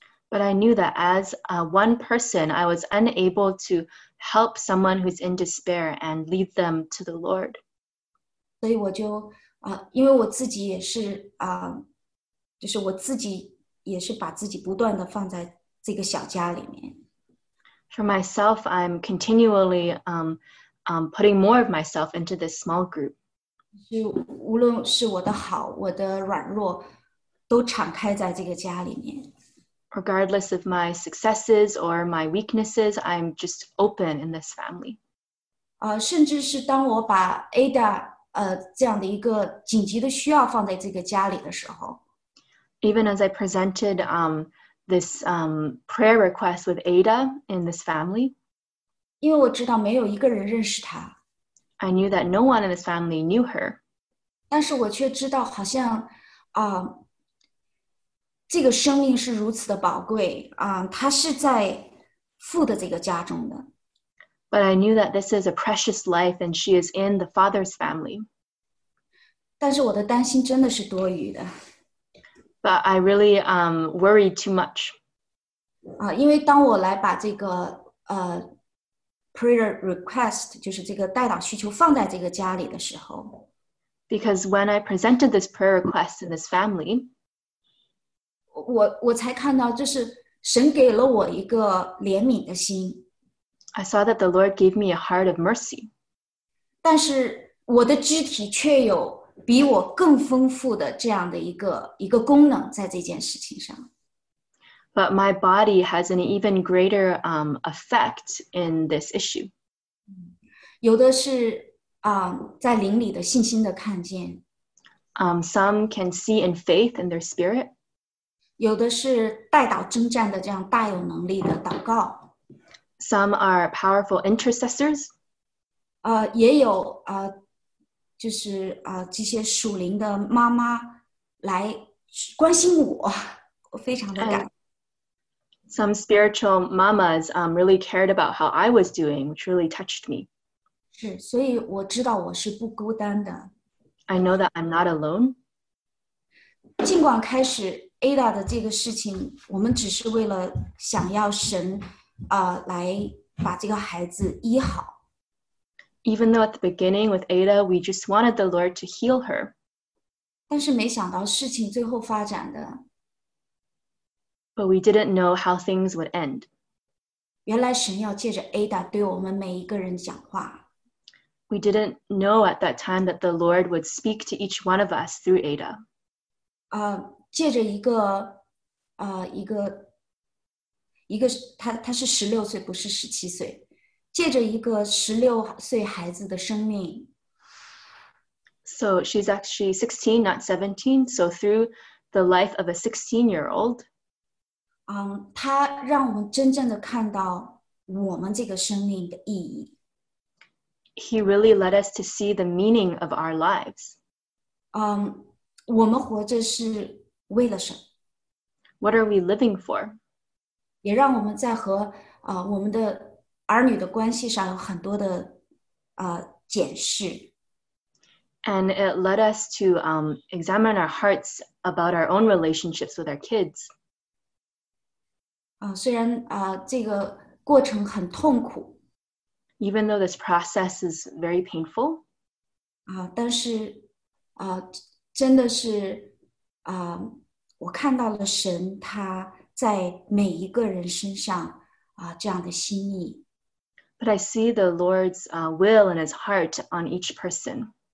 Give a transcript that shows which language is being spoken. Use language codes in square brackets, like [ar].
[en] But I knew that as one person, I was unable to help someone who's in despair and lead them to the Lord. [zh] 所以我就因为我自己也是就是我自己也是把自己不断地放在这个小家里面。 [en] For myself, I'm continually putting more of myself into this small group. [zh] 就无论是我的好，我的软弱，都敞开在这个家里面。 [en] Regardless of my successes or my weaknesses, I'm just open in this family. [zh] 甚至是当我把 Ada 这样的一个紧急的需要放在这个家里的时候。 [en] Even as I presented this prayer request with Ada in this family. [zh] 因为我知道没有一个人认识她。 [en] I knew that no one in this family knew her. [zh] 但是我却知道好像这个生命是如此的宝贵她是在父的这个家中的。 [en] But I knew that this is a precious life and she is in the father's family. [zh] 但是我的担心真的是多余的。 [en] But I really worried too much. [zh] 因为当我来把这个 [en] prayer request, [zh] 就是这个代祷需求放在这个家里的时候。 [en] Because when I presented this prayer request in this family, [zh] 我才看到就是神给了我一个怜悯的心。 [en] I saw that the Lord gave me a heart of mercy. [zh] 但是我的肢体却有比我更丰富的这样的一个功能在这件事情上。 [en] But my body has an even greater effect in this issue. [zh] 有的是在灵里的信心的看见。 [en] Some can see in faith in their spirit. [zh] 有的是代祷征战的这样大有能力的祷告。 [en] Some are powerful intercessors. [zh] 也有就是这些属灵的妈妈来关心我，我非常的感动。 [en] Some spiritual mamas really cared about how I was doing, which really touched me. [zh] 是，所以我知道我是不孤单的。 [en] I know that I'm not alone. [zh] 尽管开始 Ada 的这个事情，我们只是为了想要神来把这个孩子医好。 [en] Even though at the beginning with Ada, we just wanted the Lord to heal her. [zh] 但是没想到事情最后发展的。 [en] But we didn't know how things would end. [zh] 原来神要借着 Ada 对我们每一个人讲话。 [en] We didn't know at that time that the Lord would speak to each one of us through Ada. [zh] 借着一个他是16岁不是17岁。借着一个16岁孩子的生命。 [en] So she's actually 16, not 17. So through the life of a 16-year-old, [zh] 他让我们真正的看到我们这个生命的意义。 [en] He really led us to see the meaning of our lives. [zh] 我们活着是为了什么？ [en] What are we living for? [zh] 也让我们在和我们的儿女的关系上有很多的检视。 [en] And it led us to examine our hearts about our own relationships with our kids. [zh] 虽然这个过程很痛苦。 [en] Even though this process is very painful. [zh] 但是真的是我看到了神他在每一个人身上这样的心意。 [en] But I see the Lord's will and his heart on each person.